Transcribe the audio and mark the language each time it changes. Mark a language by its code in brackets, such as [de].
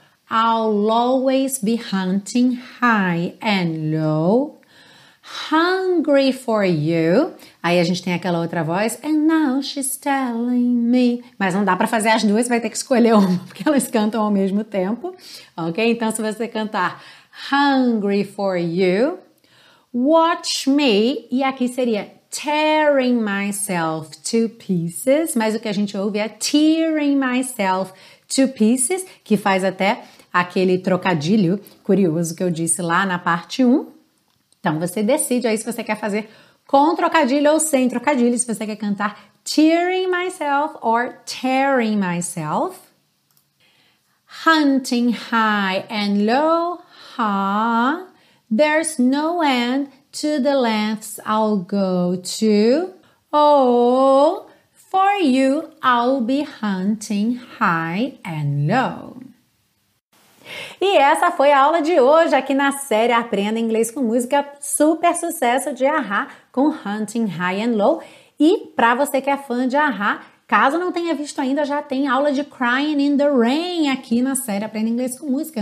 [en] I'll always be hunting high and low. Hungry for you. [pt] Aí a gente tem aquela outra voz. [en] And now she's telling me. [pt] Mas não dá pra fazer as duas, vai ter que escolher uma, porque elas cantam ao mesmo tempo. Ok? Então, se você cantar [en] hungry for you, watch me, [pt] e aqui seria [en] tearing myself to pieces, [pt] mas o que a gente ouve é tearing myself to pieces, que faz até aquele trocadilho curioso que eu disse lá na parte 1. Então, você decide aí se você quer fazer com trocadilho ou sem trocadilho, se você quer cantar [en] tearing myself or tearing myself. Hunting high and low, ha, there's no end to the lengths I'll go to. Oh, for you, I'll be hunting high and low. [pt] E essa foi a aula de hoje aqui na série Aprenda Inglês com Música, super sucesso de A-ha com Hunting High and Low. E pra você que é fã de A-ha, caso não tenha visto ainda, já tem aula de Crying in the Rain aqui na série Aprenda Inglês com Música.